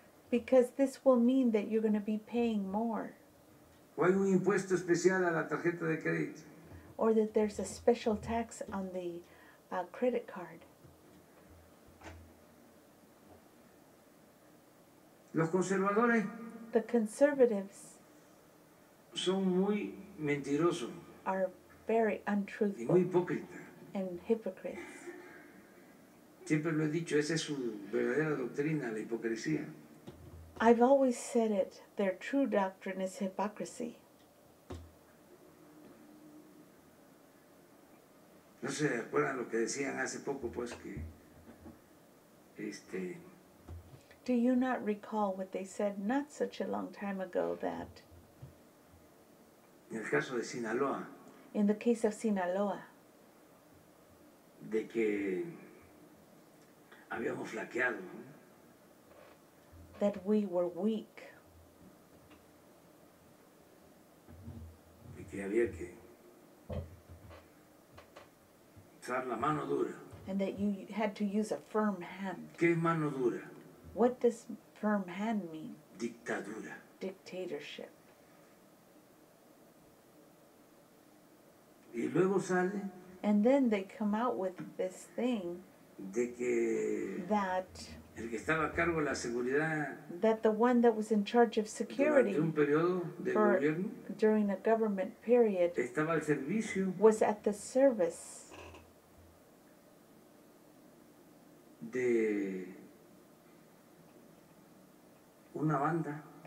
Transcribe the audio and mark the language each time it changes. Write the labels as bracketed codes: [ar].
[en] Because this will mean that you're going to be paying more. [es] O hay un impuesto especial a la tarjeta de crédito. [en] Or that there's a special tax on the credit card. [es] Los conservadores, [en] the conservatives, [es] son muy mentirosos. [en] Are very untruthful. [es] Y muy hipócritas. [en] And hypocrites. [es] Siempre lo he dicho, esa es su verdadera doctrina, la hipocresía. [en] I've always said it, their true doctrine is hypocrisy. [es] No se acuerdan lo que decían hace poco, pues que [en] do you not recall what they said not such a long time ago that [es] en el caso de Sinaloa, [en] in the case of Sinaloa, [es] de que habíamos flaqueado, [en] that we were weak, [es] y que había que usar la mano dura, [en] and that you had to use a firm hand. [es] ¿Qué es mano dura? [en] What does firm hand mean? [es] Dictadura. [en] Dictatorship. [es] Y luego sale, [en] and then they come out with this thing [es] de que [en] that [es] el que estaba a cargo de la seguridad, [en] that the one that was in charge of security [es] durante un periodo de gobierno, [en] during a government period, [es] estaba al servicio, [en] was at the service [es] de una banda,